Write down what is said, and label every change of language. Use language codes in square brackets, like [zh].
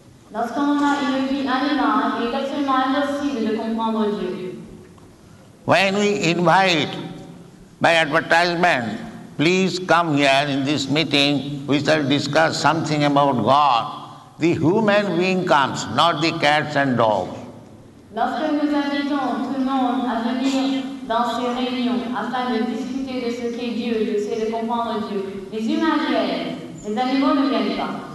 [fr] Lorsqu'on a une vie animale, il est absolument impossible de comprendre Dieu. [en] When we invite by advertisement, please come here in this meeting, we shall discuss something about God. The human being comes, not the cats and dogs. [fr] Lorsque nous invitons tout le monde à venir dans ces réunions afin de discuter de ce qu'est Dieu, de comprendre Dieu, les humains viennent, les animaux ne viennent pas.